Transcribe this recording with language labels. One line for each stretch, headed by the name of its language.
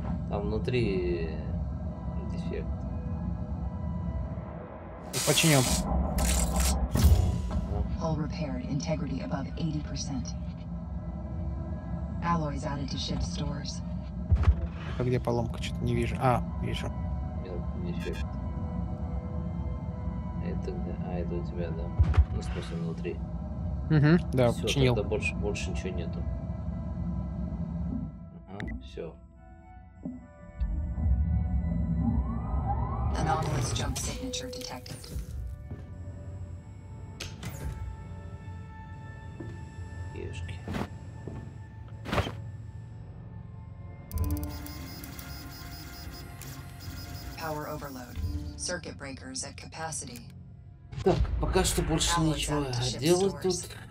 Russian: Там внутри дефект. Починим.
English: Hull repaired. Integrity above 80%. Alloys added to ship stores.
Russian: А где поломка? Что-то не вижу. А, вижу. Нет, дефект. тогда. А, это у тебя, да. Ну, в смысле, внутри. Угу, да, всё, починил. Тогда больше ничего нету. Ага, все.
English: Anomalous jump signature detected.
Russian: Ешки.
English: Power overload. Circuit breakers at capacity.
Russian: Так, пока что больше ничего делать тут.